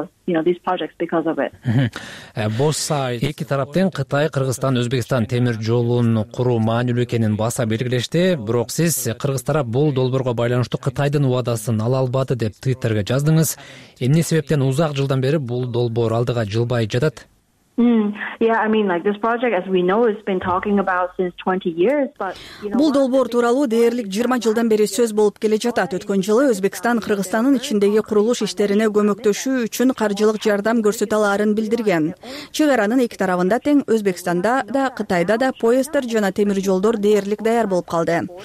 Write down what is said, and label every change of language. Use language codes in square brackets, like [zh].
[ky] Болсо, эки тарап тең Кытай, Кыргызстан, Өзбекстан темир жолун куруу маанилүү экенин баса белгилешти. Бирок сиз кыргыз тарап бул долбоорго байланыштуу Кытайдын убадасын ала албады деп Твиттерге жаздыңыз. Эмне себептен узак жылдан бери бул долбоор алдыга жылбай жатат? [en] This project, as we know, has been talking about since 20 years, but [ky] бул долбоор тууралуу дээрлик 20 жылдан бери сөз болуп келе жатат. Өткөн жылы Өзбекстан Кыргызстандын ичиндеги курулуш иштерине көмөктөшүү үчүн каржылык жардам көрсөтө аларын билдирген. Чек аранын эки тарабында тең Өзбекстанда да, Кытайда да поезддер жана темир жолдор дээрлик даяр болуп калды.